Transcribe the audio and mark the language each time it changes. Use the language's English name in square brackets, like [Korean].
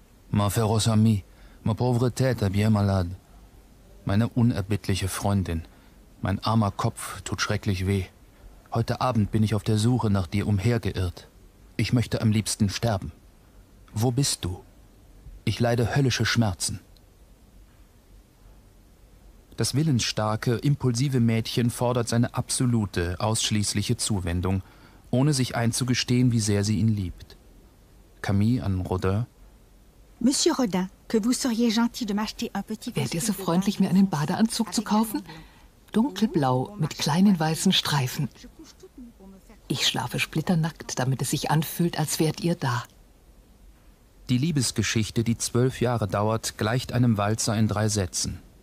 [French] Ma féroce amie, ma pauvre tête bien malade. [German] Meine unerbittliche Freundin. Mein armer Kopf tut schrecklich weh. Heute Abend bin ich auf der Suche nach dir umhergeirrt. Ich möchte am liebsten sterben. Wo bist du? Ich leide höllische Schmerzen. Das willensstarke, impulsive Mädchen fordert seine absolute, ausschließliche Zuwendung, ohne sich einzugestehen, wie sehr sie ihn liebt. Camille an Rodin. [French] Monsieur Rodin, que vous seriez gentil de m'acheter un petit [German] vestibule. Wärt ihr so freundlich, mir einen Badeanzug zu kaufen? Dunkelblau mit kleinen weißen Streifen. Ich schlafe splitternackt, damit es sich anfühlt, als wärt ihr da. Die Liebesgeschichte, die 12 Jahre dauert, gleicht einem Walzer in 3 Sätzen.